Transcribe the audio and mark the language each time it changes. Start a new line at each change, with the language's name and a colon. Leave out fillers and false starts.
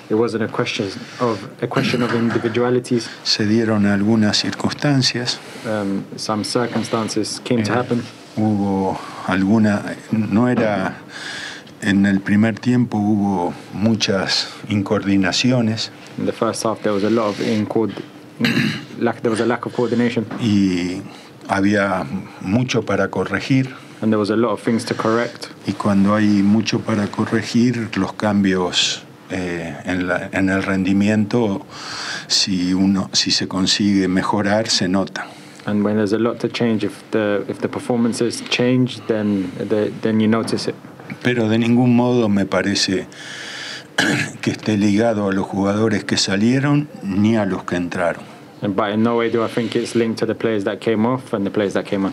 English: It wasn't a question of individualities.
Spanish: Se dieron algunas circunstancias.
English: Some circumstances came to happen.
Spanish: Hubo alguna, no era, en el primer tiempo hubo muchas incoordinaciones.
English: In the first half there was a lot of there was a lack of coordination.
Spanish: Y había mucho para corregir.
English: And there was a lot of things to correct.
Spanish: Y cuando hay mucho para corregir, los cambios en el rendimiento, si se consigue mejorar, se nota.
English: And when there's a lot to change, if the performances change, then you notice it.
Spanish: Pero de ningún modo me parece que esté ligado a los jugadores que salieron ni a los que entraron.
English: But in no way do I think it's linked to the players that came off and the players that came on.